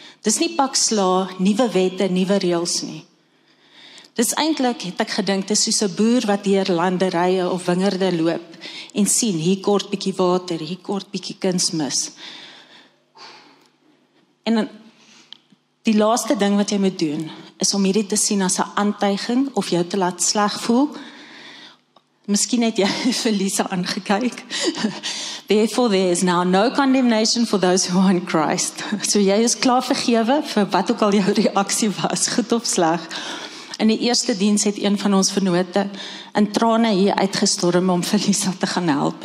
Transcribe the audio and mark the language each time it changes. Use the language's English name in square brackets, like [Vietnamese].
[Afrikaans] Dis nie pak sla, nuwe wette, nuwe reëls nie. Dis eintlik, het ek gedink, dis soos 'n boer wat deur landerye of wingerde loop en sien, hier kort bietjie water, hier kort bietjie kunsmis. En die laaste ding wat jy moet doen, is om hierdie te sien as 'n aantuiging of jou te laat sleg voel. Miskien het jy vir Lisa aangekyk. [English] Therefore there is now no condemnation for those who are in Christ. [Afrikaans] So jy is klaar vergewe vir wat ook al jou reaksie was, goed of sleg. In die eerste diens het een van ons vennote in trane hier uitgestorm om vir Lisa te gaan help.